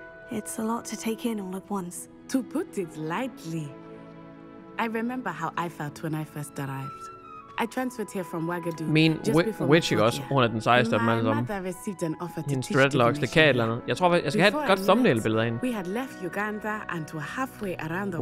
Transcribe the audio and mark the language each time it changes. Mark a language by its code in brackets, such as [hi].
[en] It's a lot to take in all at once. To put it lightly, I remember how I felt when I first arrived. I transferred here from Wagadu. [da] Min witch ikke også? Hun er den sejeste af dem alle sammen. Hendes dreadlocks, det kan et eller andet. Jeg tror, jeg skal have et godt thumbnail-billede af hende. [en] We had left Uganda and to halfway around the